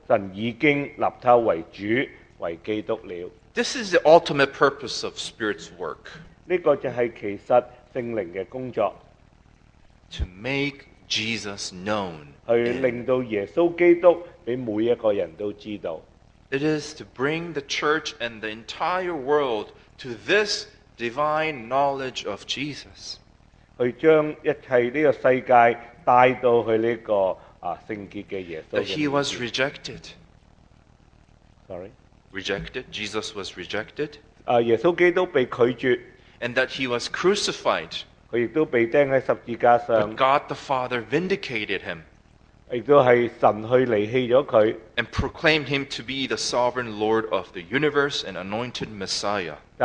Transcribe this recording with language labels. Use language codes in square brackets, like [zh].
[zh] 故此以色列全家当确实的知道，你们钉在十字架上的这位耶稣，神已经立他为主，为基督了。 [en] This is the ultimate purpose of Spirit's work. [zh] 这个就是其实圣灵的工作。 [en] To make Jesus known. [zh] 去令到耶稣基督被每一个人都知道。 [en] It is to bring the church and the entire world to this divine knowledge of Jesus. [zh] 去将一切这个世界带到去这个圣洁的耶稣。 [en] That he was rejected. Sorry? Rejected. Jesus was rejected. [zh] 耶稣基督被拒绝。 [en] And that he was crucified. [zh] 他亦都被钉在十字架上。 [en] But God the Father vindicated him. [zh] 亦都是神去离弃了他。 [en] And proclaimed him to be the sovereign Lord of the universe and anointed Messiah.